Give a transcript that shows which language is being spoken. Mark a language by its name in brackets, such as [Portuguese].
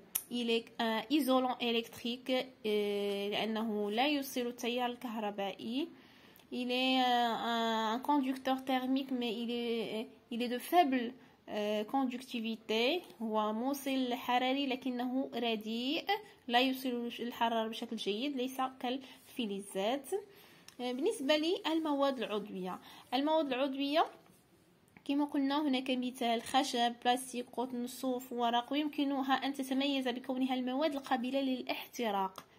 [French] il est un isolant électrique. [Arabic] لأنه لا يوصل التيار الكهربائي. [French] il est un conducteur thermique, mais il est de faible conductivité. [Arabic] هو موصل حراري لكنه رديء، لا يوصل الحرارة بشكل جيد، ليس كالفلزات. بالنسبة للمواد العضوية، المواد العضوية كما قلنا هناك مثال خشب، بلاستيك، قطن، صوف، ورق، ويمكنها أن تتميز بكونها المواد القابلة للاحتراق.